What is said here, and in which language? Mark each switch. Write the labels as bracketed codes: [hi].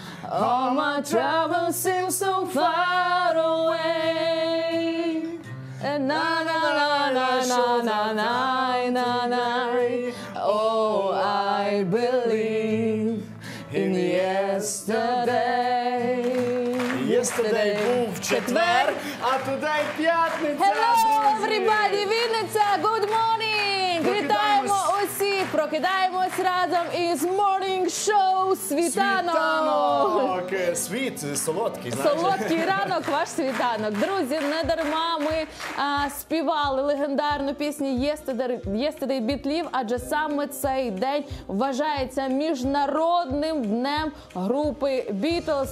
[en] All my troubles seem so far away. And na na na na na na na na na. Oh, I believe in yesterday. Yesterday [uk] був четвер, а [en] today [uk] п'ятниця. [en] Hello everybody, Вінниця, good morning. [uk] Вітаємо усіх, прокидаємось разом із Morning Show Світанок. Світанок, світ солодкий, знаєш. Солодкий ранок, ваш світанок. Друзі, не дарма ми співали легендарну пісню Yesterday Beatles, адже саме цей день вважається міжнародним днем групи Beatles.